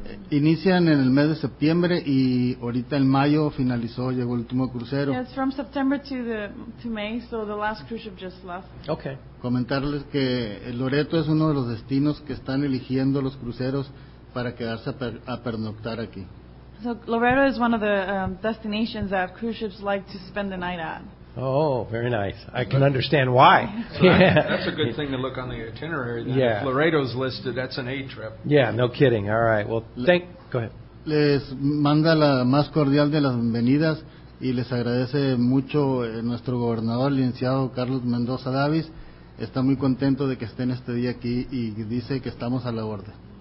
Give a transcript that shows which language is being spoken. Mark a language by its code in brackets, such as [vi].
[es] Inician en el mes de septiembre y ahorita en mayo finalizó, llegó el último crucero. [en] Yeah, it's from September to May, so the last cruise ship just left. Okay. [es] Comentarles que Loreto es uno de los destinos que están eligiendo los cruceros para quedarse a pernoctar aquí. [en] So Loreto is one of the destinations that cruise ships like to spend the night at. Oh, very nice. I can understand why. That's a good thing to look on the itinerary. Then. Yeah. If Laredo's listed, that's an A trip. Yeah, no kidding. All right. Well, go ahead. [es] Les manda la más cordial de las bienvenidas y les agradece mucho nuestro gobernador, licenciado Carlos Mendoza Davis. Está muy contento de que estén este día aquí y dice que estamos a la orden.